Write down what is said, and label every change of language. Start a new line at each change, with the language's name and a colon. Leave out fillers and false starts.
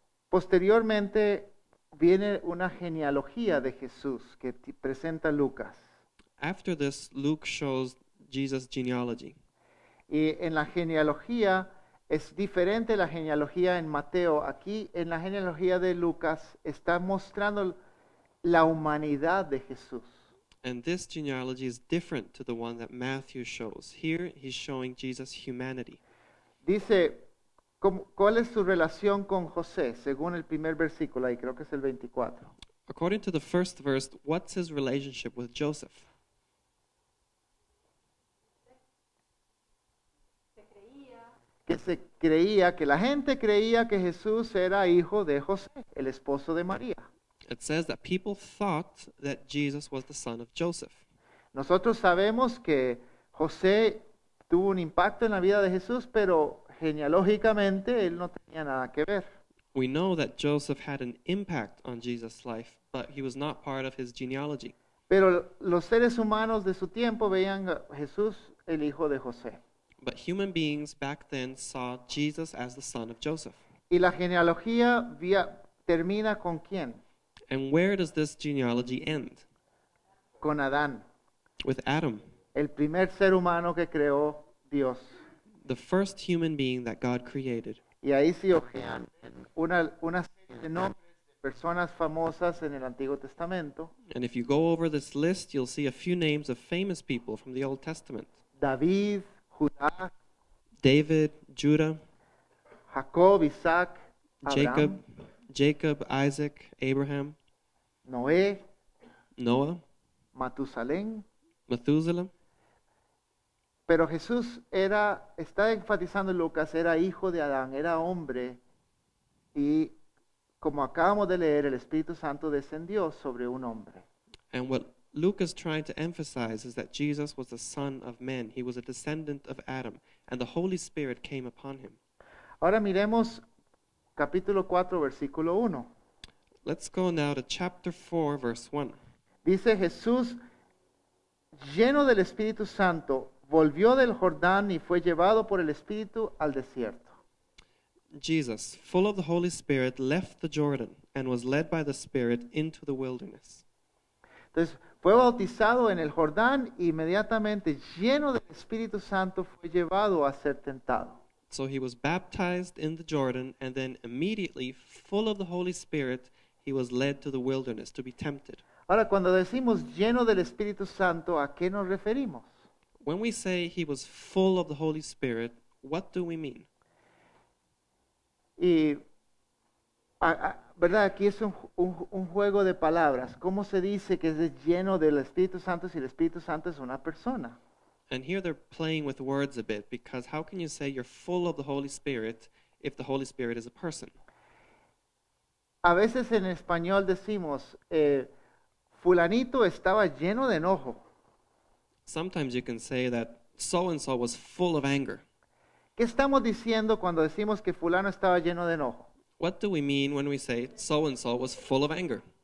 Spanish: Posteriormente viene una genealogía de Jesús que presenta Lucas.
English: After this, Luke shows Jesus' genealogy.
Spanish: Y en la genealogía es diferente la genealogía en Mateo. Aquí en la genealogía de Lucas está mostrando la humanidad de Jesús.
English: And this genealogy is different to the one that Matthew shows. Here he's showing Jesus' humanity.
Spanish: Dice, ¿cuál es su relación con José? Según el primer versículo, ahí creo que es el 24.
English: According to the first verse, what's his relationship with Joseph?
Spanish: Que se creía, que la gente creía que Jesús era hijo de José, el esposo de María.
English: It says that people thought that Jesus was the son of Joseph.
Spanish: Nosotros sabemos que José tuvo un impacto en la vida de Jesús, pero genealógicamente él no tenía nada que ver.
English: We know that Joseph had an impact on Jesus' life, but he was not part of his genealogy.
Spanish: Pero los seres humanos de su tiempo veían a Jesús, el hijo de José.
English: But human beings back then saw Jesus as the son of Joseph.
Spanish: ¿Y la genealogía termina con quién?
English: And where does this genealogy end?
Spanish: Con Adán.
English: With Adam.
Spanish: El primer ser humano que creó Dios.
English: The first human being that God created.
Spanish: Y ahí sí ojean una serie de nombres de personas famosas en el Antiguo Testamento.
English: And if you go over this list, you'll see a few names of famous people from the Old Testament.
Spanish: David, Judá.
English: David, Judah.
Spanish: Jacob, Isaac, Jacob, Abraham.
English: Jacob, Isaac, Abraham.
Spanish: Noé.
English: Noah.
Spanish: Matusalén.
English: Methuselah.
Spanish: Pero Jesús era, está enfatizando Lucas, era hijo de Adán, era hombre. Y como acabamos de leer, el Espíritu Santo descendió sobre un hombre.
English: And what Luke is trying to emphasize is that Jesus was the son of men. He was a descendant of Adam, and the Holy Spirit came upon him.
Spanish: Ahora miremos capítulo 4, versículo 1.
English: Let's go now to chapter 4, verse 1.
Spanish: Dice Jesús, lleno del Espíritu Santo, volvió del Jordán y fue llevado por el Espíritu al desierto.
English: Jesus, full of the Holy Spirit, left the Jordan and was led by the Spirit into the wilderness.
Spanish: Entonces, fue bautizado en el Jordán y inmediatamente lleno del Espíritu Santo fue llevado a ser tentado.
English: So he was baptized in the Jordan and then immediately, full of the Holy Spirit, he was led to the wilderness to be tempted.
Spanish: Ahora, cuando decimos lleno del Espíritu Santo, ¿a qué nos referimos?
English: When we say he was full of the Holy Spirit, what do we mean?
Spanish: Y, ¿verdad? Aquí es un juego de palabras. ¿Cómo se dice que es lleno del Espíritu Santo si el Espíritu Santo es una persona?
English: And here they're playing with words a bit, because how can you say you're full of the Holy Spirit if the Holy Spirit is a person?
Spanish: A veces en español decimos, fulanito estaba lleno de enojo.
English: Sometimes you can say that so-and-so was full of anger.
Spanish: ¿Qué estamos diciendo cuando decimos que fulano estaba lleno de enojo?
English: What do we mean when we say so-and-so was full of anger?